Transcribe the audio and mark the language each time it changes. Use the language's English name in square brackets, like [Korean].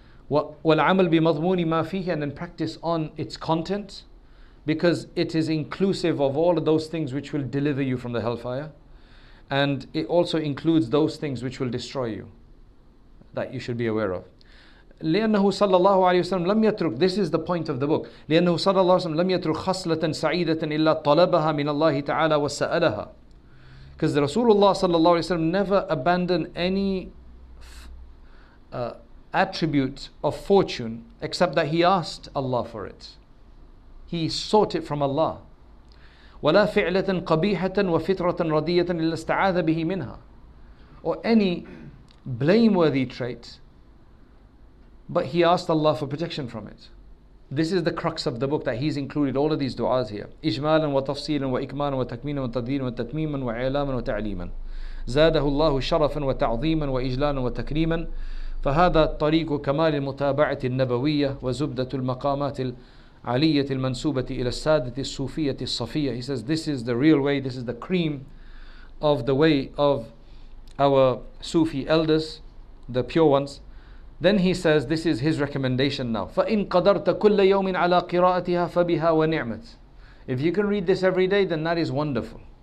[Arabic] وَالْعَمَلْ بِمَضْمُونِ مَا فِيهِ, [English] and then practice on its content, because it is inclusive of all of those things which will deliver you from the hellfire, and it also includes those things which will destroy you, that you should be aware of. [Arabic] لِأَنَّهُ صَلَّى اللَّهُ عَلَيْهِ وَسَلَّمْ لَمْ يَتْرُكْ, [English] this is the point of the book, [Arabic] لِأَنَّهُ صَلَّى اللَّهُ عَلَيْهِ وَسَلَّمْ لَمْ يَتْرُكْ خَصْلَةً سَعِيدَةً إِلَّا طَلَبَهَا مِنَ اللَّهِ تَعَالَى وَسَأَلَهَا, [English] because Rasulullah صَلَّى اللَّهُ عَلَيْهِ وَسَلَّمْ never abandoned any attribute of fortune except that he asked Allah for it. He sought it from Allah. [Arabic] وَلَا فِعْلَةً قَبِيحَةً وَفِطْرَةً رَضِيَّةً إِلَّا اسْتَعَاذَ بِهِ مِنْهَا, [English] or any blameworthy trait, but he asked Allah for protection from it. This is the crux of the book, that he's included all of these du'as here. [Arabic] إِجْمَالًا وَتَفْصِيلًا وَإِكْمَالًا وَتَكْمِيلًا وَتَدْبِيرًا وَتَتْمِيمًا وَإِعْلَامًا وَتَعْلِيمًا زَادَهُ اللَّهُ شَرَفًا وَتَعْظِيمًا وَإِجْلَالًا وَتَكْرِيمًا فهذا طريق كمال المتابعة النبوية وزبدة المقامات العلية المنسوبة إلى السادة الصوفية الصفية. [English] He says this is the real way, this is the cream of the way of our Sufi elders, the pure ones. Then he says this is his recommendation now. [Arabic] فَإِنْ قَدَرْتَ كُلَّ يَوْمٍ عَلَىٰ قِرَاءَتِهَا فَبِهَا وَنِعْمَةٍ, [English] if you can read this every day then that is wonderful.